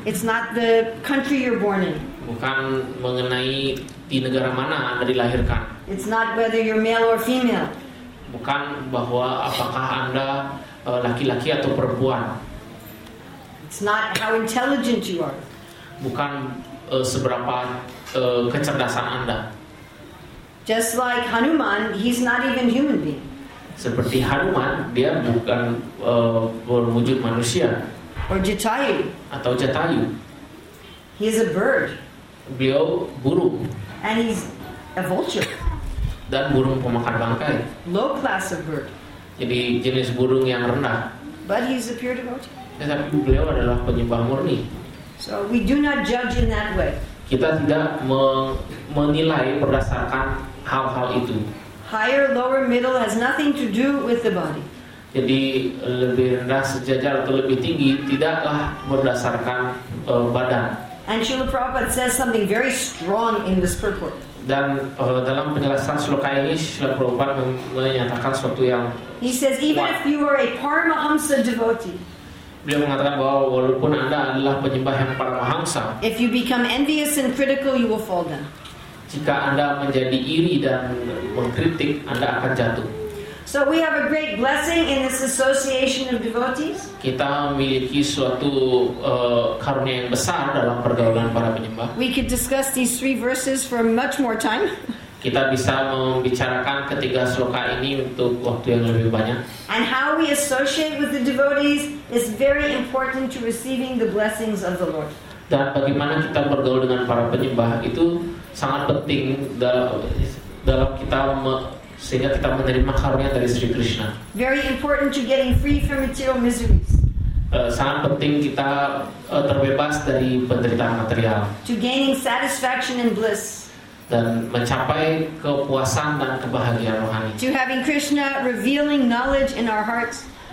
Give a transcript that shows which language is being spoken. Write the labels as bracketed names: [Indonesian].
[English] It's not the country you're born in. [Indonesian] Bukan mengenai di negara mana Anda dilahirkan. [English] It's not whether you're male or female. [Indonesian] Bukan bahwa apakah Anda laki-laki atau perempuan. [English] It's not how intelligent you are. [Indonesian] Bukan seberapa kecerdasan Anda. [English] Just like Hanuman, he's not even human being. [Indonesian] Seperti Hanuman, dia bukan berwujud manusia. [English] Or Jatayu. [Indonesian] Atau Jatayu. [English] He is a bird. [Indonesian] Beliau burung. [English] And he's a vulture. [Indonesian] Dan burung pemakan bangkai. [English] Low class of bird. [Indonesian] Jadi jenis burung yang rendah. [English] But he's a pure devotee. [Indonesian] Tetapi beliau adalah penyembah murni. [English] So we do not judge in that way. [Indonesian] Kita tidak menilai berdasarkan hal-hal itu. [English] Higher, lower, middle has nothing to do with the body. [Indonesian] Jadi lebih rendah sejajar atau lebih tinggi tidaklah berdasarkan badan. [English] And Srila Prabhupada says something very strong in this purport. [Indonesian] Dan dalam penjelasan sloka ini Srila Prabhupada menyatakan sesuatu yang [English] He says even if you are a Paramahamsa devotee. [Indonesian] Beliau mengatakan bahwa walaupun Anda adalah penyembah yang Paramahamsa. [English] If you become envious and critical you will fall down. [Indonesian] Jika Anda menjadi iri dan mengkritik Anda akan jatuh. [English] So we have a great blessing in this association of devotees. [Indonesian] Kita memiliki suatu karunia yang besar dalam pergaulan para penyembah. [English] We could discuss these three verses for much more time. [Indonesian] Kita bisa membicarakan ketiga sloka ini untuk waktu yang lebih banyak. [English] And how we associate with the devotees is very important to receiving the blessings of the Lord. [Indonesian] Dan bagaimana kita bergaul dengan para penyembah itu sangat penting dalam kita sehingga kita menerima karunia dari Sri Krishna. [English] Very important to getting free from material miseries. [Indonesian] Sangat penting kita terbebas dari penderitaan material. [English] To gaining satisfaction and bliss. [Indonesian] Dan mencapai kepuasan dan kebahagiaan rohani. [English] To having Krishna revealing knowledge in our hearts.